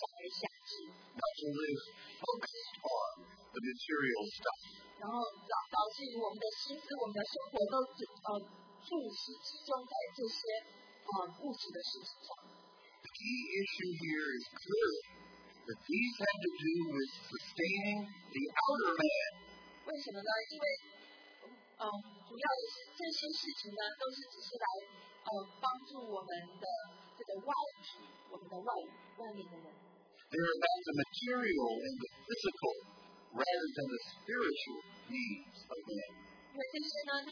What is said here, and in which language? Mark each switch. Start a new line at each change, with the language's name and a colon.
Chinese: 但是他给我们的警告呢，是让我们不要整个被充满被这些思想而想事。
English: Not to live focused on the material stuff.
Chinese: 然后导致我们的心思、我们的生活都注视集中在这些物质的事情上。
English: The key issue here is clearly that these had to do with sustaining the outer man.
Chinese: 为什么呢？因为主要这些事情呢，都是只是来帮助我们的这个外面的人。
English: There are about the material and the physical rather than the spiritual needs of man.